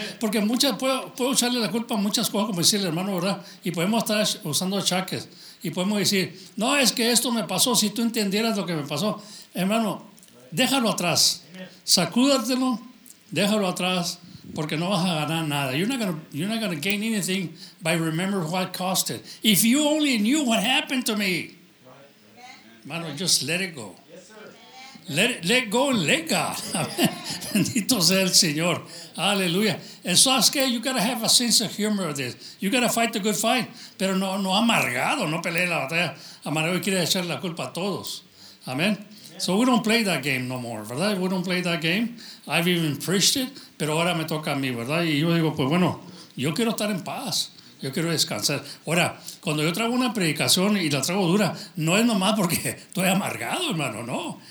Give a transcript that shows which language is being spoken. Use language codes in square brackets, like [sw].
[es] Porque puedo echarle la culpa a muchas cosas, como decía el hermano, ¿verdad? Y podemos estar usando achaques. Y podemos decir, no, es que esto me pasó, si tú entendieras lo que me pasó. Hermano, déjalo atrás. Sacúdatelo, déjalo atrás, porque no vas a ganar nada. [en] You're not gonna gain anything by remembering what caused it. If you only knew what happened to me. Hermano, just let it go. Let go and let God. [es] Bendito sea el Señor. Aleluya. [en] And so [es] es que [en] you gotta have a sense of humor of this. You gotta fight the good fight. [es] Pero no amargado, no pelee la batalla. Amargado y quiere echar la culpa a todos. Amén. [en] So we don't play that game no more, [es] ¿verdad? [en] We don't play that game. I've even preached it, [es] pero ahora me toca a mí, ¿verdad? Y yo digo, pues bueno, yo quiero estar en paz. Yo quiero descansar. Ahora, cuando yo traigo una predicación y la traigo dura, no es nomás porque estoy amargado, hermano, no.